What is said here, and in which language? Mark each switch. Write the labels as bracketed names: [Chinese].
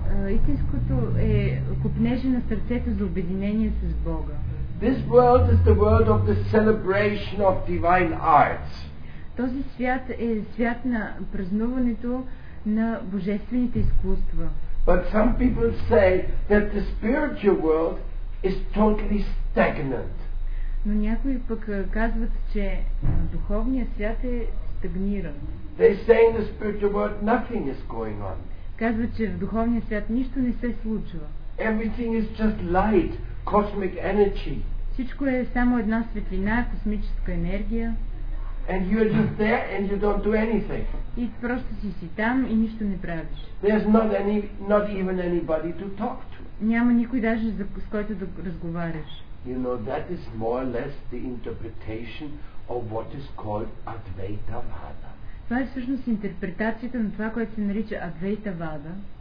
[Bulgarian] Истинското е купнежа на сърцето за обединение с Бога. [English] This world is the world of the celebration of divine arts. [Bulgarian] Този свят е свят на празнуването на божествените изкуства. [English] But some people say that the spiritual world is totally stagnant. [Bulgarian] Но някои пък казват, че духовният свят е стагниран. [English] They say in the spiritual world nothing is going on. [Bulgarian] Казват, че в духовния свят нищо не се случва. [English] Everything is just light, cosmic energy. [Bulgarian] Всичко е само една светлина, космическа енергия. [English] And you're just there and you don't do anything. [Bulgarian] И просто си там и нищо не правиш. [English] There's not even anybody to talk to. [Bulgarian] Няма никой даже с който да разговаряш. [English] You know, that is more or less the interpretation of what is called Advaita Vada. [Bulgarian] Това е всъщност интерпретацията на това, което се нарича Advaita Vada.